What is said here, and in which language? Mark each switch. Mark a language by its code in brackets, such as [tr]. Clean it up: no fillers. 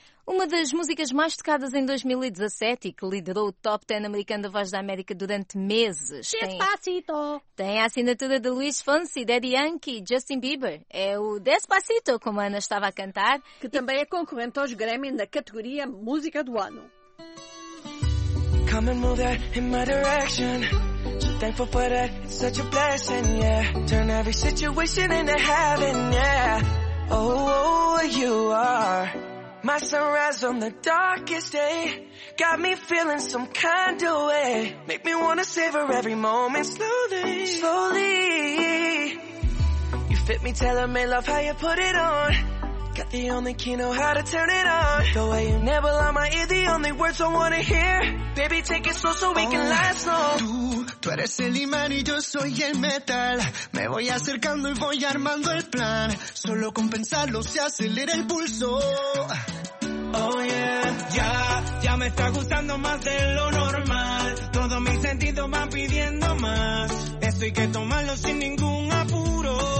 [pt] Uma das músicas mais tocadas em 2017 e que liderou o Top 10 americano da Voz da América durante meses. Despacito! Tem a assinatura de Luis Fonsi, Daddy Yankee e Justin Bieber. É o Despacito, como a Ana estava a cantar. Que também é concorrente aos Grammy na categoria Música do Ano. [en] Come and move that in my direction. So thankful for that, it's such a blessing, yeah. Turn every situation into heaven, yeah. Oh, you are my sunrise on the darkest day. Got me feeling some kind of way. Make me wanna savor every moment. Slowly, slowly. You fit me, telling me love how you put it on. Got the only key, know how to turn it on. The way you nibble on my ear, the only words I wanna hear. Baby, take it slow so we can last long. [es] Tú eres el imán y yo soy el metal. Me voy acercando y voy armando el plan. Solo con pensarlo se acelera el pulso. [en] Oh yeah. [es] Ya me está gustando más de lo normal. Todos mis sentidos van pidiendo más. Eso hay que tomarlo sin ningún apuro.